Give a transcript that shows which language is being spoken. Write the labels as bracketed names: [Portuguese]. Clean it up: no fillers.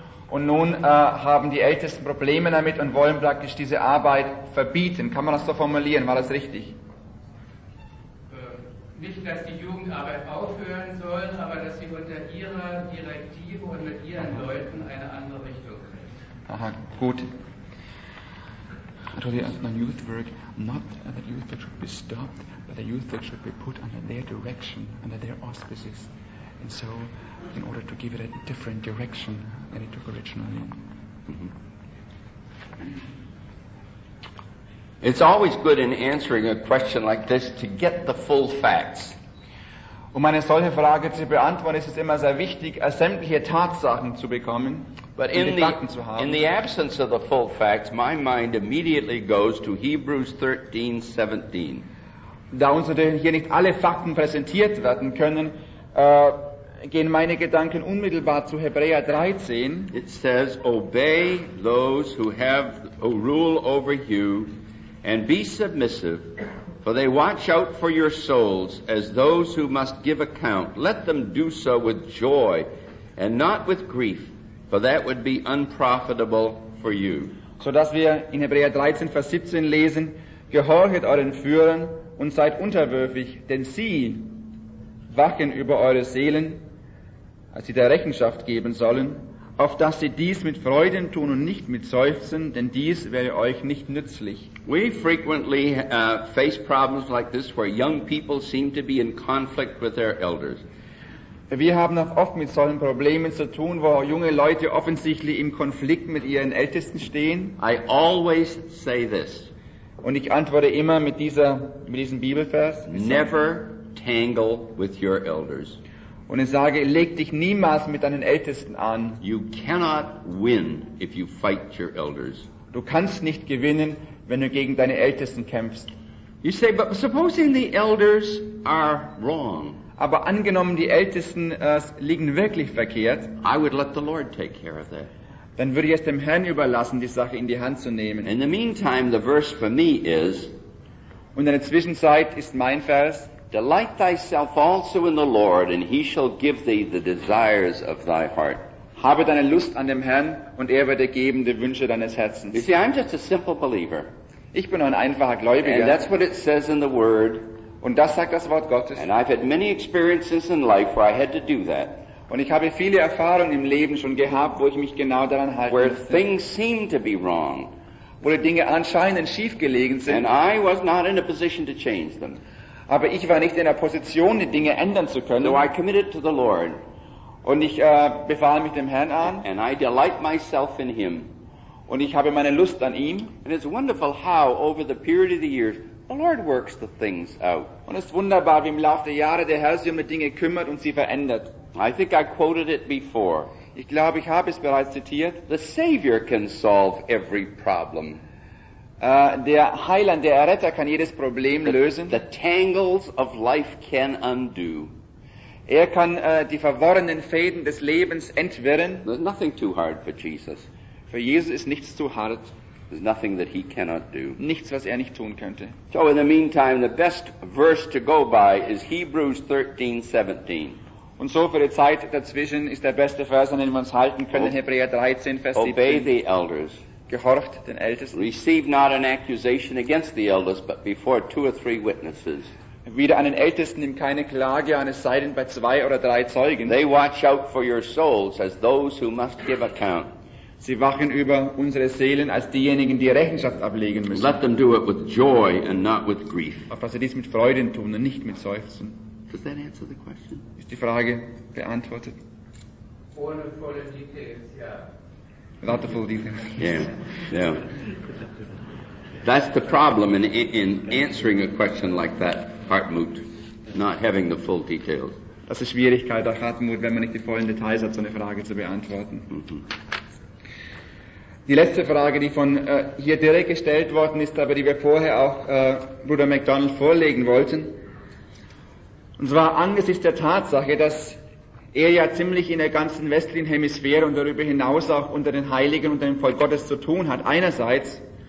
[German] Und nun haben die Ältesten Probleme damit und wollen praktisch diese Arbeit verbieten. Kann man das so formulieren? War das richtig? Nicht, dass die Jugendarbeit aufhören soll, aber dass sie unter ihrer Direktive und mit ihren Leuten eine andere Richtung kriegt. Aha, gut. [English] Actually, on youth work, not that youth work should be stopped, but that youth work should be put under their direction, under their auspices. And so, in order to give it a different direction than it took originally. Mm-hmm. It's always good in answering a question like this to get the full facts. [German] Um eine solche Frage zu beantworten, ist es immer sehr wichtig, sämtliche Tatsachen zu bekommen, [English] but in [German] die Fakten zu haben. [English] In the absence of the full facts, my mind immediately goes to Hebrews 13:17. [German] Da uns natürlich hier nicht alle Fakten präsentiert werden können, gehen meine Gedanken unmittelbar zu Hebräer 13. [English] It says, obey those who have a rule over you and be submissive, for they watch out for your souls as those who must give account. Let them do so with joy and not with grief, for that would be unprofitable for you. [German] So dass wir in Hebräer 13, Vers 17 lesen, gehorchet euren Führern und seid unterwürfig, denn sie wachen über eure Seelen, als sie der Rechenschaft geben sollen, auf dass sie dies mit Freuden tun und nicht mit Seufzen, denn dies wäre euch nicht nützlich. [English] We frequently face problems like this, where young people seem to be in conflict with their elders. [German] Wir haben auch oft mit solchen Problemen zu tun, wo junge Leute offensichtlich im Konflikt mit ihren Ältesten stehen. [English] I always say this. [German] Und ich antworte immer mit dieser, mit diesem Bibelvers. [English] Never tangle with your elders. [German] Und ich sage, leg dich niemals mit deinen Ältesten an. [English] You cannot win if you fight your elders. [German] Du kannst nicht gewinnen, wenn du gegen deine Ältesten kämpfst. [English] You say, but supposing the elders are wrong. [German] Aber angenommen, die Ältesten liegen wirklich verkehrt. [English] I would let the Lord take care of that. [German] Dann würde ich es dem Herrn überlassen, die Sache in die Hand zu nehmen. [English] In the meantime, the verse for me is. [German] Und in der Zwischenzeit ist mein Vers. [English] Delight thyself also in the Lord, and he shall give thee the desires of thy heart. [German] Habe deine Lust an dem Herrn, und er wird dir geben die Wünsche deines Herzens. [English] You see, I'm just a simple believer. [German] Ich bin nur ein einfacher Gläubiger. [English] And that's what it says in the Word. [German] Und das sagt das Wort Gottes. [English] And I've had many experiences in life where I had to do that. [German] Und ich habe viele Erfahrungen im Leben schon gehabt, wo ich mich genau daran halte. [English] Where things seem to be wrong. [German] Wo die Dinge anscheinend schief gelegen sind. [English] And I was not in a position to change them. [German] Aber ich war nicht in der Position, die Dinge ändern zu können. [English] So I committed to the Lord. [German] Und ich befahl mich dem Herrn an. [English] And I delight myself in him. [German] Und ich habe meine Lust an ihm. [English] And it's wonderful how over the period of the years the Lord works the things out. [German] Und es ist wunderbar, wie im Laufe der Jahre der Herr sich um die Dinge kümmert und sie verändert. [English] I think I quoted it before. [German] Ich glaube, ich habe es bereits zitiert. [English] The Savior can solve every problem. [German] Der Heiland, der Erretter, kann jedes Problem lösen. [English] The tangles of life can undo. [German] Er kann die verworrenen Fäden des Lebens entwirren. [English] There's nothing too hard for Jesus. [German] Für Jesus ist nichts zu hart. [English] There's nothing that he cannot do. [German] Nichts, was er nicht tun könnte. [English] So in the meantime, the best verse to go by is Hebrews 13:17. [German] Und so für die Zeit dazwischen ist der beste Vers, an den wir uns halten können, Hebräer 13, Vers 17. [English] Obey the elders. [German] Gehorcht den Ältesten. [English] Receive not an accusation against the elders, but before two or three witnesses. [German] Wider an den Ältesten nimm keine Klage an, es sei denn bei zwei oder drei Zeugen. [English] They watch out for your souls as those who must give account. [German] Sie wachen über unsere Seelen als diejenigen, die Rechenschaft ablegen müssen. [English] Let them do it with joy and not with grief. [German] Auf dass sie dies mit Freuden tun und nicht mit Seufzen. [English] Does that answer the question? [German] Ist die Frage beantwortet? Ohne volle Details, ja. [English] Without the full details. Yeah, yeah. That's the problem in answering a question like that, Hartmut, not having the full details. [German] Das ist Schwierigkeit auch Hartmut, wenn man nicht die vollen Details hat, so eine Frage zu beantworten. Die letzte Frage, die von hier direkt gestellt worden ist, aber die wir vorher auch Bruder MacDonald vorlegen wollten. Und zwar angesichts der Tatsache, dass er ja ziemlich in der ganzen westlichen Hemisphäre und darüber hinaus auch unter den Heiligen und dem Volk Gottes zu tun hat, einerseits.